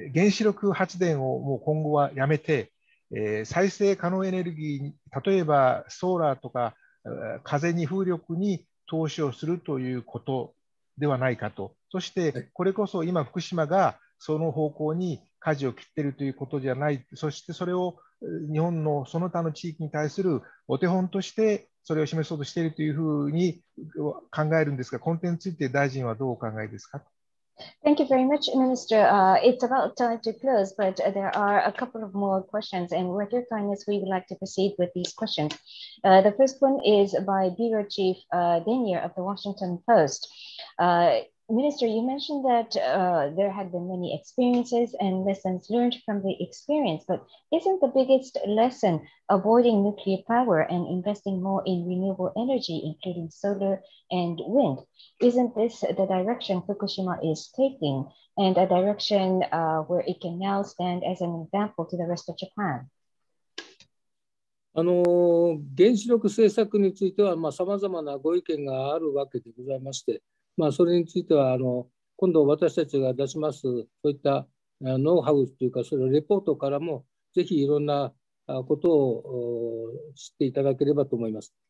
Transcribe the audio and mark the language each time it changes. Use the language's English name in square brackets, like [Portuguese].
[Japanese] 子力発電をもう今後はやめて、再生可能エネルギーに、例えばソーラーとか風に風力に投資をするということではないかと、そしてこれこそ今福島がその方向に舵を切っているということじゃない、そしてそれを日本のその他の地域に対するお手本としてそれを示そうとしているというふうに考えるんですが、この点について大臣はどうお考えですか。 [English] Thank you very much, Minister. It's about time to close, but there are a couple of more questions, and with your kindness, we would like to proceed with these questions. The first one is by Bureau Chief Denier of the Washington Post. Minister, you mentioned that there had been many experiences and lessons learned from the experience, but isn't the biggest lesson avoiding nuclear power and investing more in renewable energy, including solar and wind? Isn't this the direction Fukushima is taking and a direction where it can now stand as an example to the rest of Japan? [Japanese] 原子力政策については、まあ、様々なご意見があるわけでございまして、まあ、それについては今度私たちが出しますそういったノウハウというかそれレポートからもぜひいろんなことを知っていただければと思います。